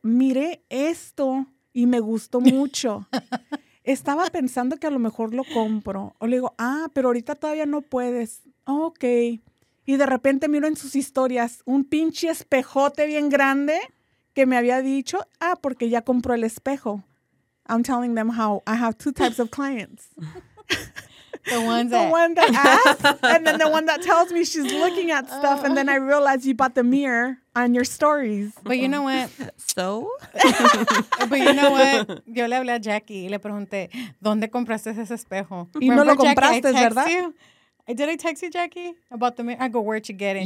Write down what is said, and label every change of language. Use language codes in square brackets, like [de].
[es] Miré esto y me gustó mucho. Estaba pensando que a lo mejor lo compro. O le digo, ah, pero ahorita todavía no puedes. Ok. Y de repente miro en sus historias un pinche espejote bien grande que me había dicho, ah, porque ya compró el espejo. [en] I'm telling them how I have two types of clients. The one that asks, and then the one that tells me she's looking at stuff, and then I realize you bought the mirror on your stories. But you know what? So? But you know what? [es] Yo le hablé a Jackie y le pregunté, ¿dónde compraste ese espejo? Y [en] remember, [es] no lo compraste, Jackie, ¿verdad? [en] You? Did I text you, Jackie, about the mirror? I go, where'd you get it?